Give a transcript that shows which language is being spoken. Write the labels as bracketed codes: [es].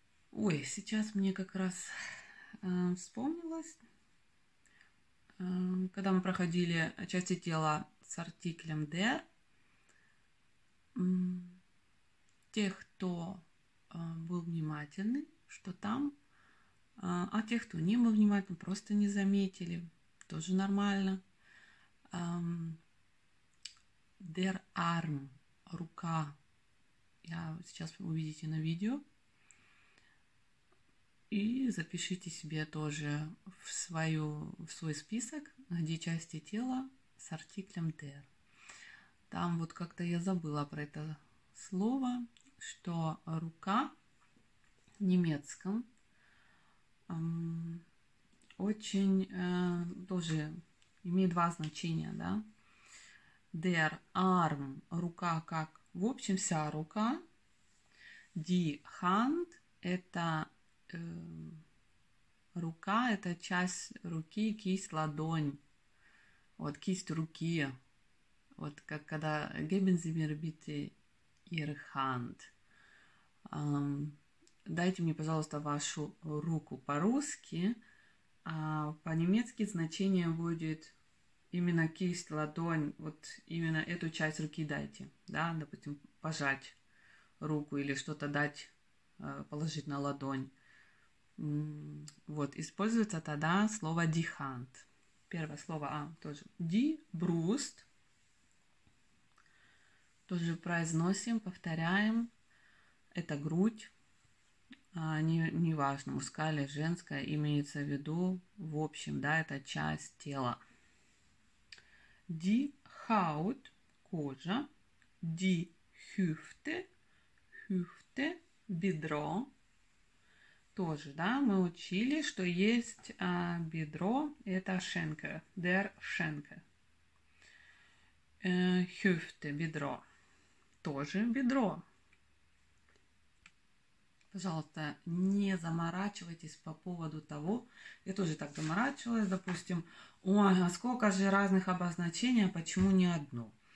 [ru] Ой, сейчас мне как раз вспомнилось, когда мы проходили части тела с артиклем D. Тех, кто был внимательный, что там, а тех, кто не был внимательным, просто не заметили, тоже нормально. [de] Der arm, рука. [ru] Я сейчас увидите на видео. И запишите себе тоже в свой список, где части тела с артиклем der. Там вот как-то я забыла про это слово, что рука в немецком очень тоже имеет два значения, да? Der arm, рука, как в общем вся рука. Die Hand, это рука, это часть руки, кисть, ладонь. Вот кисть руки. Вот как когда [de] Geben Sie mir bitte Ihre Hand. [ru] Дайте мне, пожалуйста, вашу руку по-русски. А по-немецки значение будет именно кисть, ладонь. Вот именно эту часть руки дайте. Да? Допустим, пожать руку или что-то дать, положить на ладонь. Вот, используется тогда слово die Hand. Первое слово А тоже. Die Brust. Тоже произносим, повторяем. Это грудь. Не важно, мужская или женская, имеется в виду, в общем, да, это часть тела. [de] Die Haut, кожа. Die Hüfte, Hüfte, бедро. [ru] Тоже, да, мы учили, что есть бедро, это шенка, der шенка. Хюфте, бедро, тоже бедро. Пожалуйста, не заморачивайтесь по поводу того, я тоже так заморачивалась, допустим, ой, а сколько же разных обозначений, почему не одно?